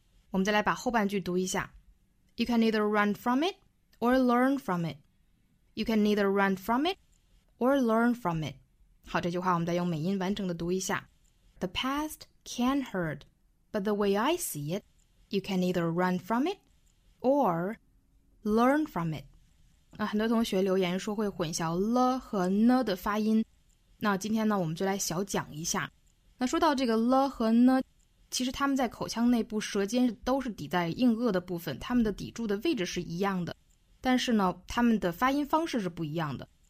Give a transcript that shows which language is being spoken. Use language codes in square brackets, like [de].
[zh] 我们再来把后半句读一下。 [en] You can either run from it or learn from it. You can either run from it or learn from it. [zh] 好，这句话我们再用美音完整的读一下。 [en] The past can hurt, but the way I see it, you can either run from it or learn from it. [zh] 那很多同学留言说会混淆了和呢的发音，那今天呢我们就来小讲一下。那说到这个了和呢，其实他们在口腔内部舌尖都是抵在硬腭的部分，他们的抵柱的位置是一样的，但是呢他们的发音方式是不一样的。